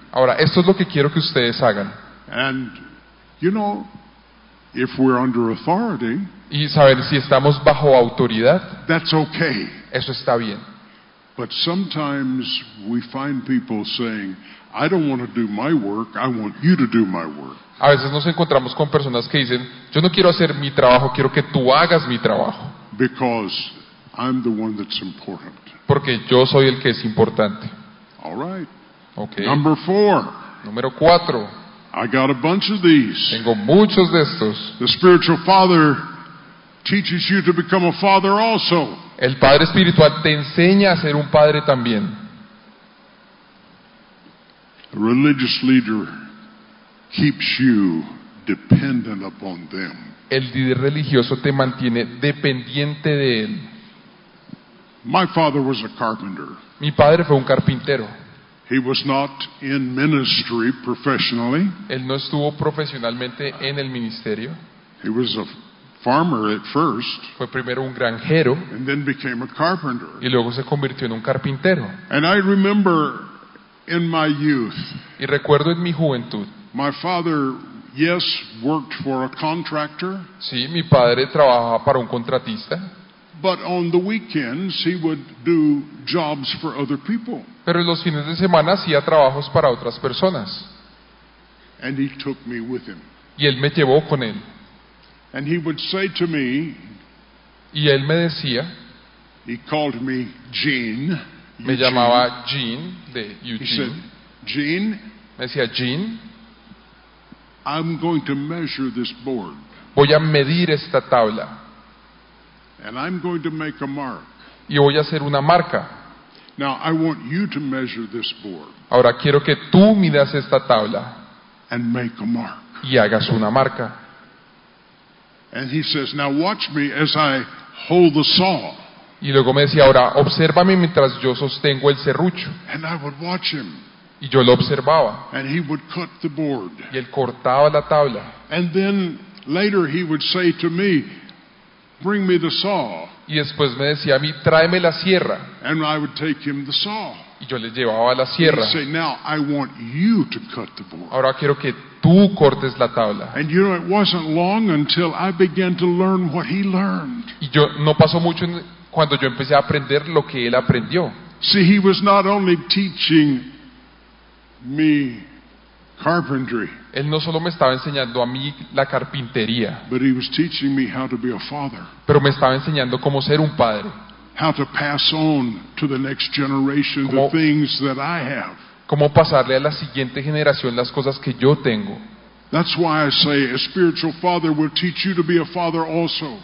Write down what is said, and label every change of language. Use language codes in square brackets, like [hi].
[es] Ahora, esto es lo que quiero que ustedes hagan. [en] And you know, if we're under authority, [es] y saben, si estamos bajo autoridad, [en] that's okay. [es] Eso está bien. [en] But sometimes we find people saying, I don't want to do my work, I want you to do my work. [es] A veces nos encontramos con personas que dicen, yo no quiero hacer mi trabajo, quiero que tú hagas mi trabajo. [en] Because I'm the one that's important. [es] Porque yo soy el que es importante. [en] All right. Okay. Number four. [es] Número cuatro. [en] I got a bunch of these. [es] Tengo muchos de estos. [en] The spiritual father teaches you to become a father also. [es] El padre espiritual te enseña a ser un padre también. [en] The religious leader keeps you dependent upon them. [es] El líder religioso te mantiene dependiente de él. [en] My father was a carpenter. [es] Mi padre fue un carpintero. [en] He was not in ministry professionally. [es] Él no estuvo profesionalmente en el ministerio. [en] He was a farmer at first. [es] Fue primero un granjero. [en] And then became a carpenter. [es] Y luego se convirtió en un carpintero. [en] And I remember in my youth. [es] Y recuerdo en mi juventud. [en] My father, yes, worked for a contractor. [es] Sí, mi padre trabajaba para un contratista. [en] But on the weekends he would do jobs for other people. [es] Pero los fines de semana hacía trabajos para otras personas. [en] And he took me with him. [es] Y él me llevó con él. [en] And he would say to me. [es] Y él me decía. [en] He called me Gene. [es] Me llamaba Gene de Eugene. [en] He said, Gene. [es] Me decía Gene. [en] I'm going to measure this board. [es] Voy a medir esta tabla. [en] And I'm going to make a mark. [es] Y voy a hacer una marca. [en] Now I want you to measure this board. [es] Ahora quiero que tú midas esta tabla. [en] And make a mark. [es] Y hagas una marca. [en] And he says, now watch me as I hold the saw. [es] Y luego me decía, ahora obsérvame mientras yo sostengo el serrucho. [en] And I would watch him. [es] Y yo lo observaba. [en] And he would cut the board. [es] Y él cortaba la tabla. [en] And then later he would say to me, bring me the saw. [es] Y después me decía a mí, tráeme la sierra. [en] And I would take him the saw. [es] Y yo le llevaba la sierra. [en] Say, now I want you to cut the board. [es] Ahora quiero que tú cortes la tabla. [en] And you know, it wasn't long until I began to learn what he learned. [es] Y yo no pasó mucho cuando yo empecé a aprender lo que él aprendió. [en] See, he was not only teaching me carpentry. [es] Él no solo me estaba enseñando a mí la carpintería, [en] but he was teaching me how to be a father. [es] Pero me estaba enseñando cómo ser un padre. [en] How to pass on to the next generation the things that I have. [es] Cómo pasarle a la siguiente generación las cosas que yo tengo. [en] That's why I say a spiritual father will teach you to be a father also.